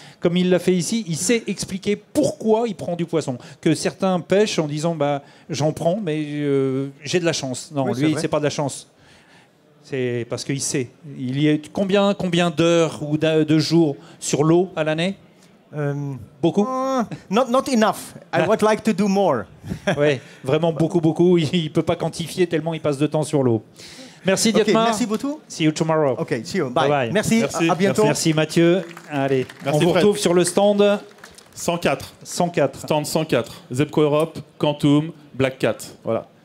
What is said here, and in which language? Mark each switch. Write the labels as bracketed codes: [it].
[fr] Comme il l'a fait ici, il sait expliquer pourquoi il prend du poisson. Que certains pêchent en disant bah, « j'en prends, mais j'ai de la chance ». Non, oui, lui, c'est pas de la chance. C'est parce qu'il sait. Il y a combien d'heures ou de jours sur l'eau à l'année? Beaucoup. [en] Not enough. I would like to do more. [fr] Oui, vraiment beaucoup. Il ne peut pas quantifier tellement il passe de temps sur l'eau. Merci Dietmar. Okay, merci beaucoup. [en] See you tomorrow. Ok, see you. Bye. [fr] Merci. Merci. À bientôt. Merci Mathieu. Allez, merci, on vous retrouve sur le stand 104. Stand 104. Zebco Europe, Quantum, Black Cat. Voilà.